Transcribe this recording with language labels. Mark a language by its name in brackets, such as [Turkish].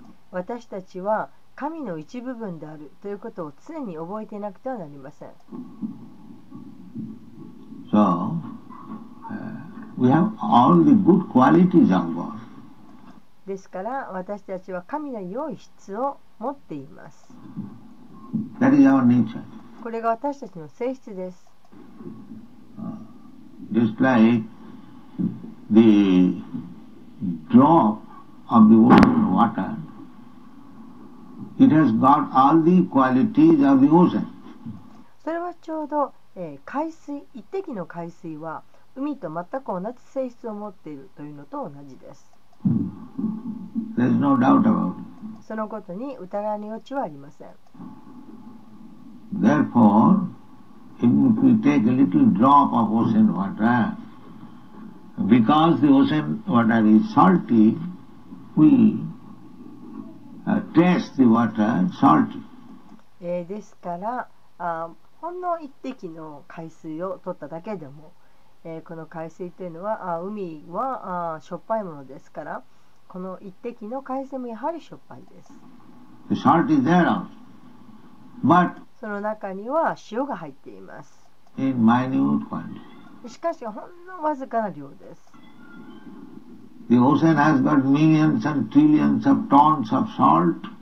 [Japanese] 私たちは神の一部分であるということを常に覚えていなくてはなりません。 [English] So, we have all the good qualities of God. [Japanese] ですから私たちは神の良い質を持っています。 [English] That is our nature. [Japanese] これが私たちの性質です。 [English] Just like the drop of the ocean water, it has got all the qualities of the ocean. [Japanese] それはちょうど、海水、一滴の海水は海と全く同じ性質を持っているというのと同じです。 [English] There's no doubt about it. [Japanese] そのことに疑いの余地はありません。 [English] Therefore, even if we take a little drop of ocean water, because the ocean water is salty, we taste the water salty. [Japanese] ですから、ほんの一滴の海水を取っただけでも、この海水というのは、海はしょっぱいものですから、この一滴の海水もやはりしょっぱいです。 [English] The salt is there also. But, [Japanese] その中には塩が入っています。 [English] In minute quantity. [Japanese] しかし、ほんのわずかな量です。 [English] The ocean has got millions and trillions of tons of salt.